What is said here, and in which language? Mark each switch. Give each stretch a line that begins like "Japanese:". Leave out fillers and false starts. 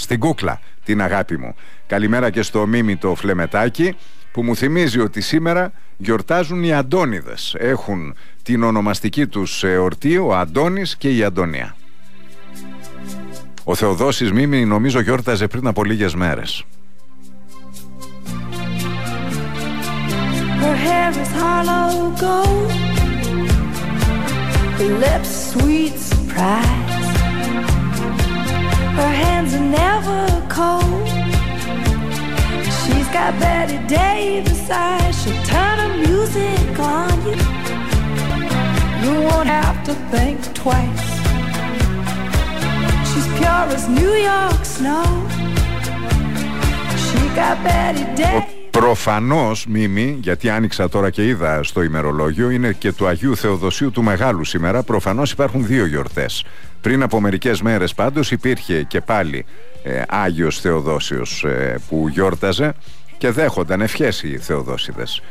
Greek: Στην κούκλα, την αγάπη μου. Καλημέρα και στο Μίμη το Φλεμετάκι που μου θυμίζει ότι σήμερα γιορτάζουν οι Αντώνιδες. Έχουν την ονομαστική τους εορτή, ο Αντώνης και η Αντωνία. Ο Θεοδόσης Μίμη νομίζω γιόρταζε πριν από λίγες μέρες.
English: Her hair is hollow gold, her lips sweet surprise, her hands are never cold, she's got Betty Davis eyes, she'll turn her music on you, you won't have to think twice, she's pure as New York snow, she got Betty Davis.
Greek: Προφανώς, Μίμη, γιατί άνοιξα τώρα και είδα στο ημερολόγιο, είναι και του Αγίου Θεοδοσίου του Μεγάλου σήμερα, προφανώς υπάρχουν δύο γιορτές. Πριν από μερικές μέρες πάντως υπήρχε και πάλι Άγιος Θεοδόσιος που γιόρταζε και δέχονταν ευχές οι Θεοδόσιδες.